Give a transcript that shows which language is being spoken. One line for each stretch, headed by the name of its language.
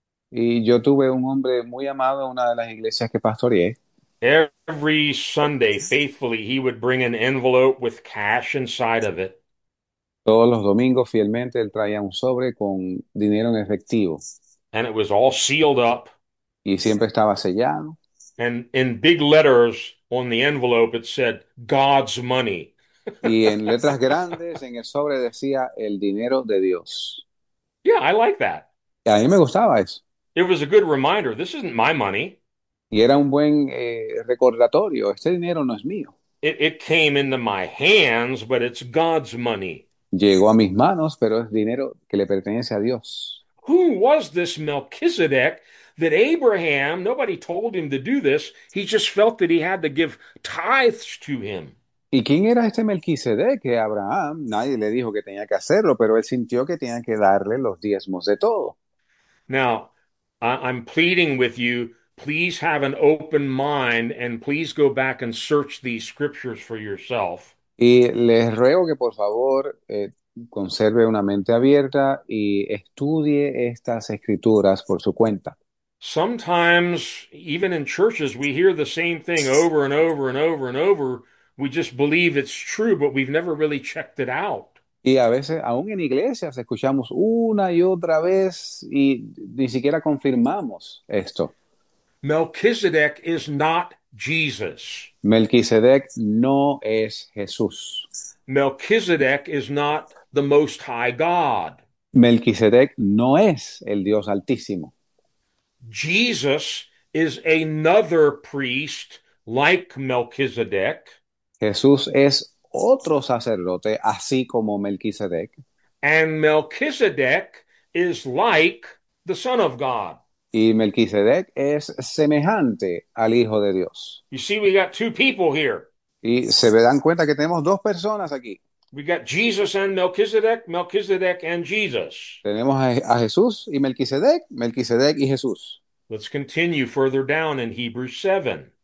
Spanish: Y yo tuve un hombre muy amado en una de las iglesias que pastoreé.
English: Every Sunday, faithfully, he would bring an envelope with cash inside of it.
Spanish: Todos los domingos, fielmente, él traía un sobre con dinero en efectivo.
English: And it was all sealed up.
Spanish: Y siempre estaba sellado.
English: And in big letters on the envelope, it said, God's money.
Spanish: Y en letras grandes, en el sobre decía el dinero de Dios.
English: Yeah, I like that.
Spanish: Y a mí me gustaba eso.
English: It was a good reminder. This isn't my money.
Spanish: Y era un buen recordatorio. Este dinero no es mío.
English: It came into my hands, but it's God's money.
Spanish: Llegó a mis manos, pero es dinero que le pertenece a Dios.
English: Who was this Melchizedek that Abraham, nobody told him to do this, he just felt that he had to give tithes to him?
Spanish: ¿Y quién era este Melquisedec? Que Abraham, nadie le dijo que tenía que hacerlo, pero él sintió que tenía que darle los diezmos de todo.
English: Now, I'm pleading with you, please have an open mind and please go back and search these scriptures for yourself.
Spanish: Y les ruego que por favor conserve una mente abierta y estudie estas escrituras por su cuenta.
English: Sometimes, even in churches, we hear the same thing over and over and over and over. We just believe it's true, but we've never really checked it out.
Spanish: Y a veces, aún en iglesias, escuchamos una y otra vez y ni siquiera confirmamos esto.
English: Melchizedek is not Jesus.
Spanish: Melquisedec no es Jesús.
English: Melchizedek is not the Most High God.
Spanish: Melquisedec no es el Dios Altísimo.
English: Jesus is another priest like Melchizedek.
Spanish: Jesús es otro sacerdote, así como Melquisedec.
English: And Melchizedek is like the Son of God.
Spanish: Y Melquisedec es semejante al Hijo de Dios.
English: You see, we got two people here.
Spanish: Y se dan cuenta que tenemos dos personas aquí.
English: We got Jesus and Melchizedek, Melchizedek and Jesus.
Spanish: Tenemos a Jesús y Melquisedec, Melquisedec y Jesús.
English: Let's continue further down in Hebrews 7.